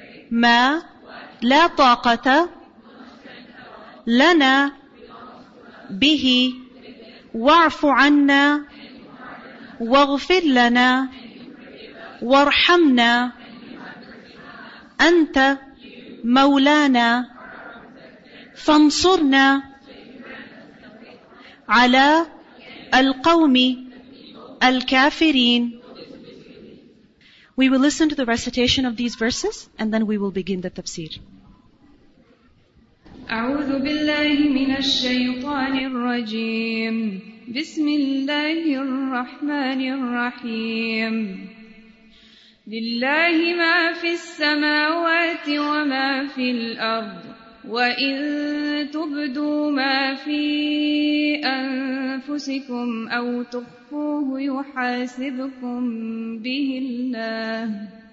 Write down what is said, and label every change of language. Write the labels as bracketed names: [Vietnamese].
[Arabic] ما لا طاقة لنا به واعف عنا واغفر لنا وارحمنا أنت مولانا فانصرنا على القوم الكافرين. [English] We will listen to the recitation of these verses and then we will begin the tafsir. [Arabic] أعوذ بالله من الشيطان الرجيم. بسم الله الرحمن الرحيم. لله ما في السماوات وما في الأرض وإن تبدوا ما في أنفسكم أو تخفوه يحاسبكم به الله